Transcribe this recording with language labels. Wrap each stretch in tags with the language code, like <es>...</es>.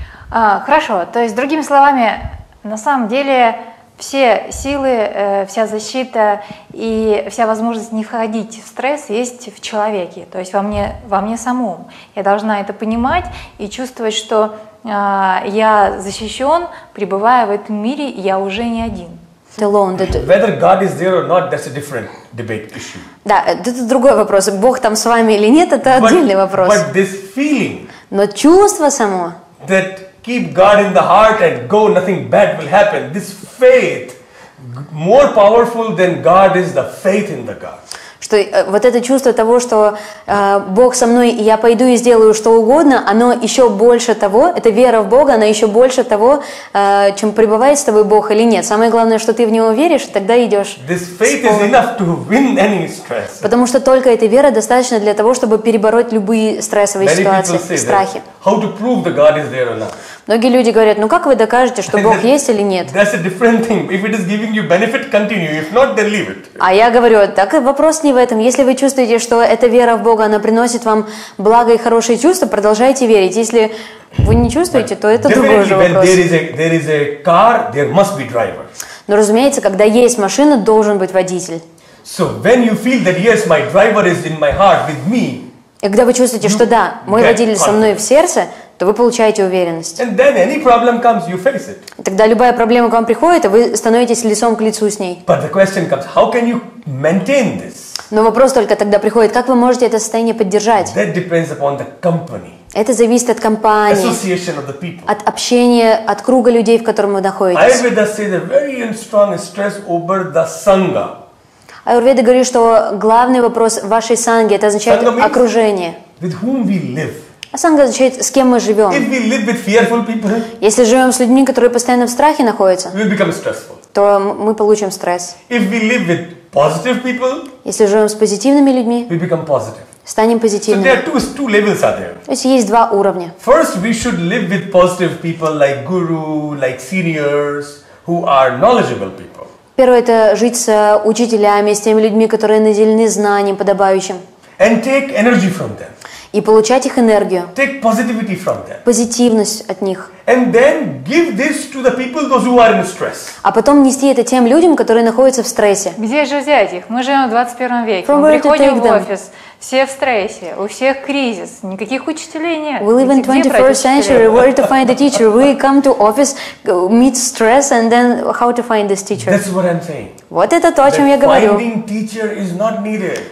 <ru>Хорошо, то есть, другими словами, на самом деле все силы, вся защита и вся возможность не входить в стресс есть в человеке, то есть во мне самом. Я должна это понимать и чувствовать, что я защищен, пребывая в этом мире, я уже не один.</ru> <en>Alone, that... Whether God is there or not, that's a different debate issue.</en> <ru>Да, это другой вопрос. Бог там с вами или нет, это отдельный вопрос.</ru> <en>But this feeling,</en> <ru>но чувство само,</ru> <en>that keep God in the heart and go, nothing bad will happen. This faith, more powerful than God is the faith in the God.</en> <ru>Что вот это чувство того, что Бог со мной, и я пойду и сделаю что угодно, оно еще больше того, это вера в Бога, она еще больше того, чем пребывает с тобой Бог или нет. Самое главное, что ты в Него веришь, тогда идешь.</ru> <en>This faith is enough to win any stress.</en> <ru>Потому что только эта вера достаточно для того, чтобы перебороть любые стрессовые</ru> <en>Many</en> <ru>ситуации,</ru> <en>people say</en> <ru>страхи.</ru> <en>That. How to prove that God is there or not?</en> <ru>Многие люди говорят, ну как вы докажете, что Бог есть или нет?</ru> <en>That's a different thing. If it is giving you benefit, continue. If not, then leave it.</en> <ru>А я говорю, так вопрос не в этом. Если вы чувствуете, что эта вера в Бога, она приносит вам благо и хорошие чувства, продолжайте верить. Если вы не чувствуете, то это другой же вопрос.</ru> <en>There is a car, there must be driver.</en> <ru>Но разумеется, когда есть машина, должен быть водитель.</ru> <en>So when you feel that yes, my driver is in my heart with me.</en> <ru>И когда вы чувствуете, что да, мой водитель со мной в сердце, то вы получаете уверенность.</ru> <en>And then any problem comes, you face it.</en> <ru>Тогда любая проблема к вам приходит, и вы становитесь лицом к лицу с ней.</ru> <en>But the question comes, how can you maintain this?</en> <ru>Но вопрос только тогда приходит, как вы можете это состояние поддержать?</ru> <en>That depends upon the company.</en> <ru>Это зависит от компании,</ru> <en>association of the people.</en> <ru>От общения, от круга людей, в котором вы находитесь.</ru> <en>Ayurveda says a very strong stress over the sangha.</en> <ru>Аюрведа говорит, что главный вопрос вашей санги, это означает</ru> <en>sangha</en> <ru>окружение.</ru> <en>With whom we live.</en> <ru>А санга означает, с кем мы живем.</ru> <en>If we live with fearful people,</en> <ru>если живем с людьми, которые постоянно в страхе находятся,</ru> <en>we become stressful.</en> <ru>То мы получим стресс.</ru> <en>If we live with positive people,</en> <ru>если живем с позитивными людьми,</ru> <en>we become positive.</en> <ru>Станем позитивными.</ru> <en>So there are two levels are there.</en> <ru>То есть есть два уровня.</ru> <en>First, we should live with positive people like guru, like seniors, who are knowledgeable people.</en> <ru>Первое – это жить с учителями, с теми людьми, которые наделены знанием подобающим.</ru> <en>and take energy from them.</en> <ru>И получать их энергию.</ru> <en>Take positivity from them.</en> <ru>Позитивность от них.</ru> <en>And then give this to the people, those who are in stress.</en> <ru>А потом нести это тем людям, которые находятся в стрессе. Где же взять их? Мы живем в 21 веке. Мы приходим в офис, все в стрессе, у всех кризис, никаких учителей нет.</ru> <en>We live in 21st century. Where to find a teacher? We come to office, meet stress, and then how to find this teacher? That's what I'm saying.</en> <ru>Вот это то, о чем я говорю.</ru> <en>Finding teacher is not needed.</en>